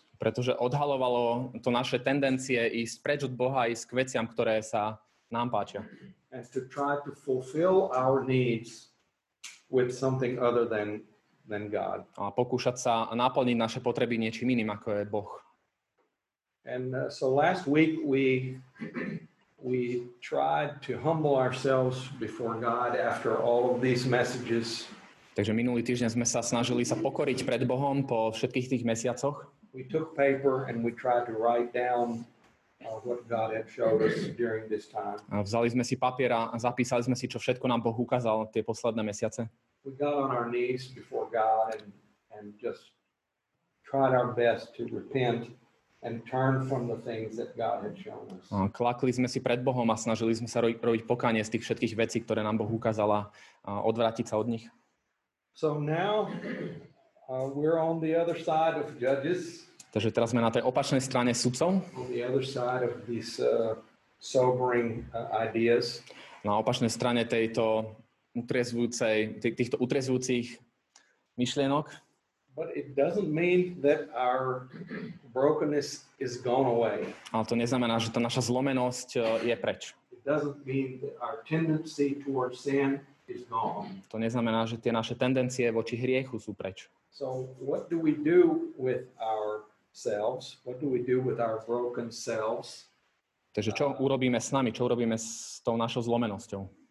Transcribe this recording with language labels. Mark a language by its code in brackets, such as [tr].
[sk] Pretože odhalovalo to naše tendencie ísť preč od Boha, ísť k veciam, ktoré sa nám páčia. [en] And to try to fulfill our needs with something other than God. [sk] A pokúšať sa naplniť naše potreby niečím iným, ako je Boh. [en] And so last week we tried to humble ourselves before God after all of these messages. [sk] Takže minulý týždeň sme sa snažili sa pokoriť pred Bohom po všetkých tých mesiacoch. [en] We took paper and we tried to write down what God had showed us during this time. [sk] A vzali sme si papier a zapísali sme si, čo všetko nám Boh ukázal tie posledné mesiace. [en] We got on our knees before God and just tried our best to repent and turn from the things that God had shown us. [sk] Klakli sme si pred Bohom a snažili sme sa robiť pokánie z tých všetkých vecí, ktoré nám Boh ukázal, a odvrátiť sa od nich. [en] So now we're on the other side of Judges. [sk] Takže teraz sme na tej opačnej strane Sudcov. [en] On the other side of these sobering ideas. [sk] Na opačnej strane tejto týchto utriezvujúcich myšlienok. [en] But it doesn't mean that our brokenness is gone away. [sk] Ale to neznamená, že tá naša zlomenosť je preč. [en] It doesn't mean that our tendency towards sin is gone. [sk] To neznamená, že tie naše tendencie voči hriechu sú preč. [en] So what do we do with ourselves? What do we do with our broken selves? [sk] Takže čo urobíme s nami? Čo urobíme s tou našou zlomenosťou?